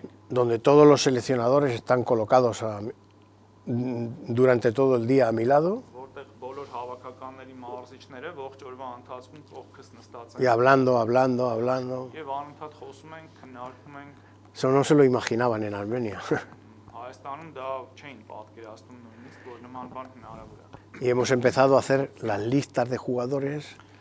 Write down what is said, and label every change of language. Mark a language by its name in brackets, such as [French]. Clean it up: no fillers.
[Spanish] Donde todos los seleccionadores están colocados durante todo el día a mi lado. [Armenian] հավաքականների մարզիչները ողջ օրվա ընթացքում կողքս նստած [Spanish] են։ Hablando. [Armenian] Եվ անընդհատ խոսում են, քննարկում են։ [Spanish] Eso no se lo imaginaban en Armenia. [Armenian] Հայաստանում դա չէին պատկերացնում նույնիսկ, որ նման բան հնարավոր է։ [Spanish] Y hemos empezado a hacer las listas de jugadores.